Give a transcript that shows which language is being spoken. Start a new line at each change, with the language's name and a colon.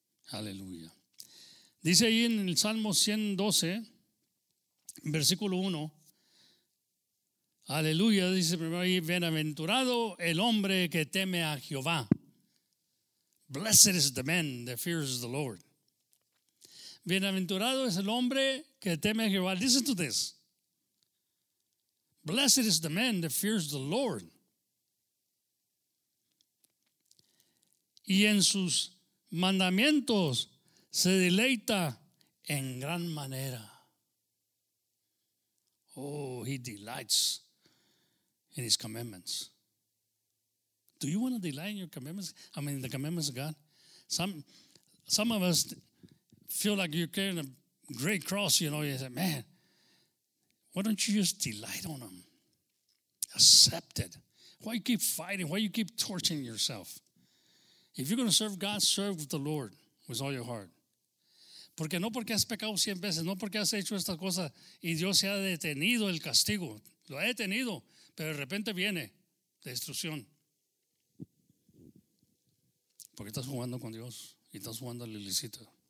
Spanish: Aleluya. Dice ahí en el Salmo 112, versículo 1. Aleluya, dice primero ahí, bienaventurado el hombre que teme a Jehová.
English: Blessed is the man that fears the Lord.
Spanish: Bienaventurado es el hombre que teme a Jehová.
English: Listen to this. Blessed is the man that fears the Lord.
Spanish: Y en sus mandamientos se deleita en gran manera.
English: He delights in his commandments. Do you want to delight in your commandments? I mean, the commandments of God. Some of us feel like you're carrying a great cross, you know. You say, man, why don't you just delight on them? Accept it. Why you keep fighting? Why you keep torturing yourself? If you're going to serve God, serve the Lord with all your heart.
Spanish: Porque no porque has pecado 100 veces, no porque has hecho estas cosas y Dios se ha detenido el castigo. Lo ha detenido. Pero de repente viene destrucción. Porque estás jugando con Dios y estás jugando al ilícito.